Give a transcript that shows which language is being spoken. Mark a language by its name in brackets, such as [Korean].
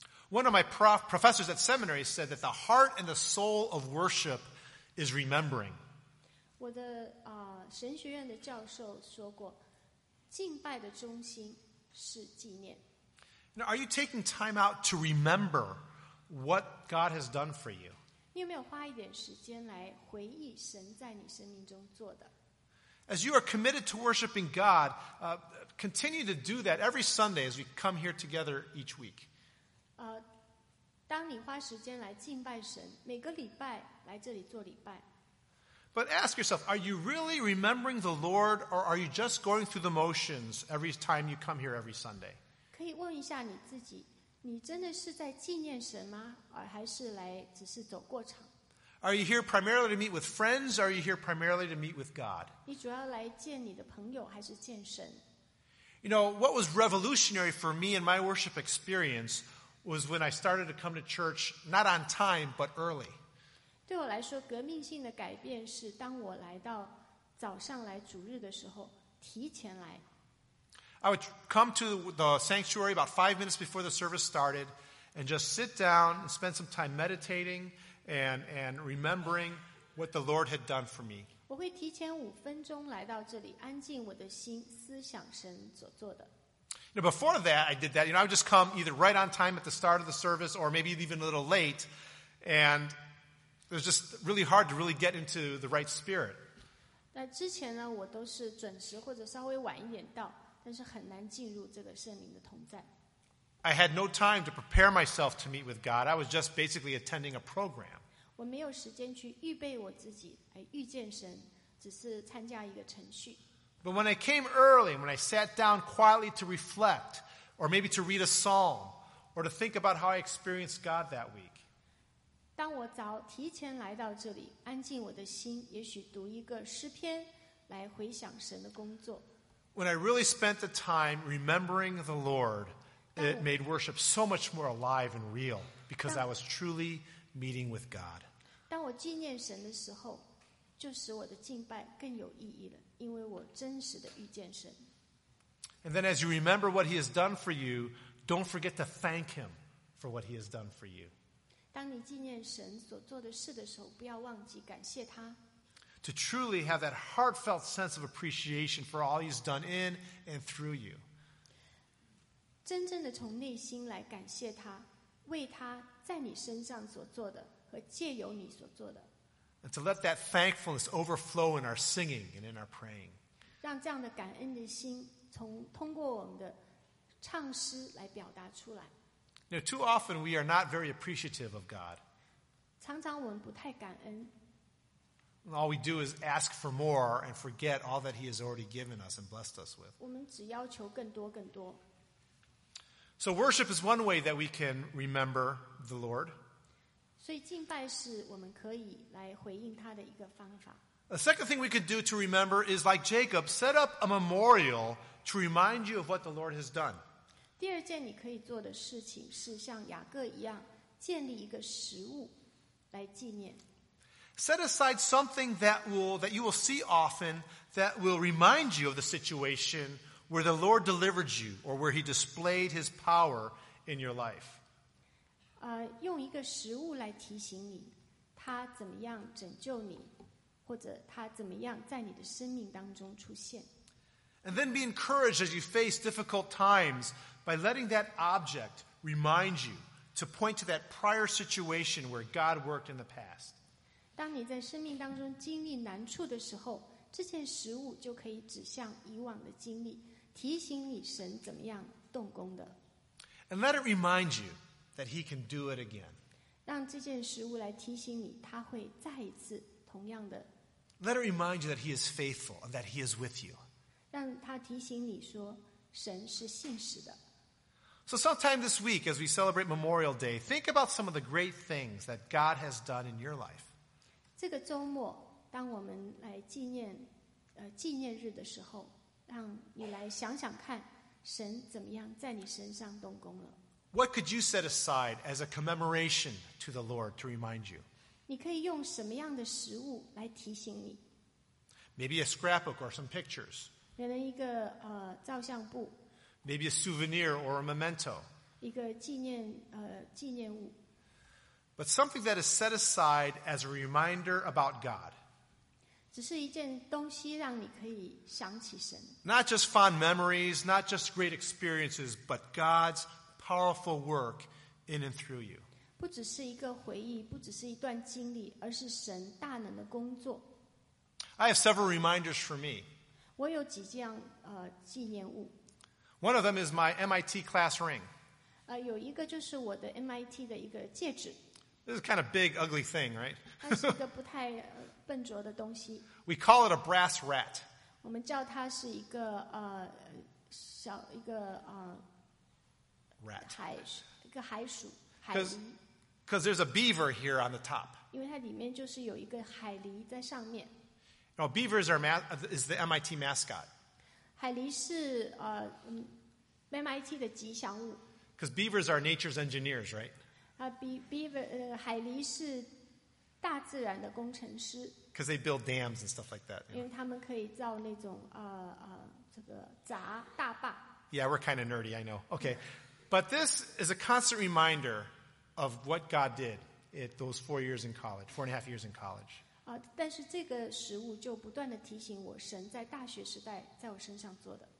[English] One of my professors at seminary said that the heart and the soul of worship is remembering. [Chinese] 我的神学院的教授说过，敬拜的中心是纪念。 [English] Now, are you taking time out to remember what God has done for you? [Chinese] 你有没有花一点时间来回忆神在你生命中做的？ [English] As you are committed to worshiping God, continue to do that every Sunday as we come here together each week. [Chinese] 当你花时间来敬拜神，每个礼拜来这里做礼拜。 [English] But ask yourself, are you really remembering the Lord, or are you just going through the motions every time you come here every Sunday? [Chinese] 可以问一下你自己，你真的是在纪念神吗？还是来只是走过场？ [English] Are you here primarily to meet with friends, or are you here primarily to meet with God? [Chinese] 你主要来见你的朋友，还是见神？ [English] You know, what was revolutionary for me in my worship experience was when I started to come to church, not on time, but early. [Chinese] 对我来说，革命性的改变是当我来到早上来主日的时候，提前来。 [English] I would come to the sanctuary about 5 minutes before the service started and just sit down and spend some time meditating and remembering what the Lord had done for me. [Chinese] 我会提前5分钟来到这里，安静我的心，思想神所做的。 [English] Now, before that, I did that. You know, I would just come either right on time at the start of the service or maybe even a little late. And it was just really hard to really get into the right spirit. [Chinese] 那之前呢，我都是准时或者稍微晚一点到。但是很难进入这个圣灵的同在。 [English] I had no time to prepare myself to meet with God. I was just basically attending a program. [Chinese] 我没有时间去预备我自己来遇见神，只是参加一个程序。 [English] But when I came early, when I sat down quietly to reflect, or maybe to read a psalm, or to think about how I experienced God that week. [Chinese] 当我早提前来到这里，安静我的心，也许读一个诗篇，来回想神的工作。 [English] When I really spent the time remembering the Lord, it made worship so much more alive and real because I was truly meeting with God. [Chinese] 当我纪念神的时候，就使我的敬拜更有意义了，因为我真实的遇见神。 [English] And then as you remember what he has done for you, don't forget to thank him for what he has done for you. [Chinese] 当你纪念神所做的事的时候，不要忘记感谢他。 [English] To truly have that heartfelt sense of appreciation for all he's done in and through you. [Chinese] 真正的从内心来感谢他，为他在你身上所做的和借由你所做的。 [English] And to let that thankfulness overflow in our singing and in our praying. [Chinese] 让这样的感恩的心从通过我们的唱诗来表达出来。 [English] Now, too often we are not very appreciative of God. [Chinese] 常常我们不太感恩。 [English] All we do is ask for more and forget all that he has already given us and blessed us with. [Chinese] 我们只要求更多更多。 [English] So worship is one way that we can remember the Lord. [Chinese] 所以敬拜是我们可以来回应他的一个方法。 [English] A second thing we could do to remember is like Jacob, set up a memorial to remind you of what the Lord has done. [Chinese] 第二件你可以做的事情是像雅各一样建立一个实物来纪念。 [English] Set aside something that you will see often that will remind you of the situation where the Lord delivered you or where he displayed his power in your life. [Chinese] 用一个食物来提醒你他怎么样拯救你或者他怎么样在你的生命当中出现。 [English] And then be encouraged as you face difficult times by letting that object remind you to point to that prior situation where God worked in the past. [Chinese] 当你在生命当中经历难处的时候这件食物就可以指向以往的经历提醒你神怎么样动工的。 [English] And let it remind you that he can do it again. [Chinese] 让这件食物来提醒你他会再一次同样的。 [English] Let it remind you that he is faithful and that he is with you. [Chinese] 让他提醒你说神是信实的。 [English] So sometime this week, as we celebrate Memorial Day, think about some of the great things that God has done in your life. [Chinese] 这个周末，当我们来纪念日的时候，让你来想想看，神怎么样在你身上动工了。 [English] What could you set aside as a commemoration to the Lord to remind you? [Chinese] 你可以用什么样的食物来提醒你 [English] ？Maybe a scrapbook or some pictures. [Chinese] 可能一个照相簿 [English] ，maybe a souvenir or a memento， [Chinese] 一个纪念物。 [English] But something that is set aside as a reminder about God， [Chinese] 只是一件东西让你可以想起神。 [English] Not just fond memories, not just great experiences, but God's powerful work in and through you。 [Chinese] 不只是一个回忆，不只是一段经历，而是神大能的工作。 [English] I have several reminders for me。 [Chinese] 我有几件纪念物。 [English] One of them is my MIT class ring. [Chinese] 有一个就是我的 MIT 的一个戒指。 [English] This is kind of big, ugly thing, right? [Chinese] 它是一个不太笨拙的东西。 [English] We call it a brass rat. [Chinese] 我们叫它是一个小一个 [English] rat [Chinese] 海一个海鼠海狸。 [English] Because there's a beaver here on the top. [Chinese] 因为它里面就是有一个海狸在上面。 [English] Now, beaver is the MIT mascot. [Chinese] 海狸是MIT 的吉祥物。 [English] Because beavers are nature's engineers, right? [Chinese] Beaver, 海狸是大自然的工程师。 [English] Because they build dams and stuff like that. [Chinese] 因为他们可以造那种这个闸大坝。 [English] Yeah, we're kind of nerdy, I know. Okay, but this is a constant reminder of what God did at those four and a half years in college. [Chinese] 但是这个食物就不断地提醒我神在大学时代在我身上做的。